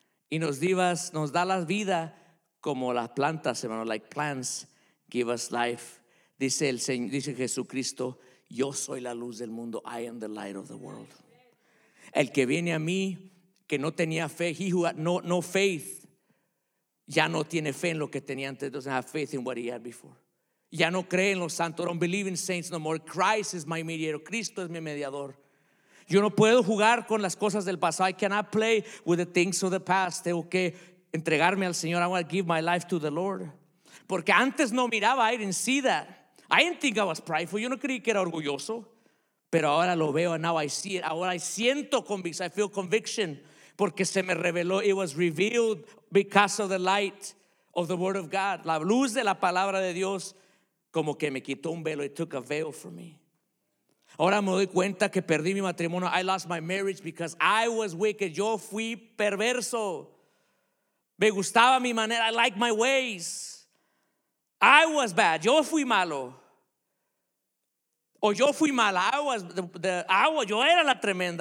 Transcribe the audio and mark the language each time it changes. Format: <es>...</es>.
<es>Y nos da la vida como las plantas, hermano.</es> <en>Like plants give us life.</en> <es>Dice el Señor, dice Jesucristo, yo soy la luz del mundo.</es> <en>I am the light of the world.</en> <es>El que viene a mí, que no tenía fe.</es> <en>He who had no faith.</en> <es>Ya no tiene fe en lo que tenía antes.</es> <en>Doesn't have faith in what he had before.</en> <es>Ya no cree en los santos.</es> <en>Don't believe in saints no more. Christ is my mediator.</en> <es>Cristo es mi mediador. Yo no puedo jugar con las cosas del pasado.</es> <en>I cannot play with the things of the past.</en> <es>Tengo que entregarme al Señor.</es> <en>I want to give my life to the Lord.</en> <es>Porque antes no miraba.</es> <en>I didn't see that. I didn't think I was prideful.</en> <es>Yo no creí que era orgulloso. Pero ahora lo veo.</es> <en>And now I see it.</en> <es>Ahora siento convicción.</es> <en>I feel conviction.</en> <es>Porque se me reveló,</es> <en>it was revealed because of the light of the word of God.</en> <es>La luz de la palabra de Dios como que me quitó un velo,</es> <en>it took a veil from me.</en> <es>Ahora me doy cuenta que perdí mi matrimonio.</es> <en>I lost my marriage because I was wicked.</en> <es>Yo fui perverso. Me gustaba mi manera.</es> <en>I like my ways. I was bad.</en> <es>Yo fui malo. O yo fui mala. Yo era la tremenda.</es>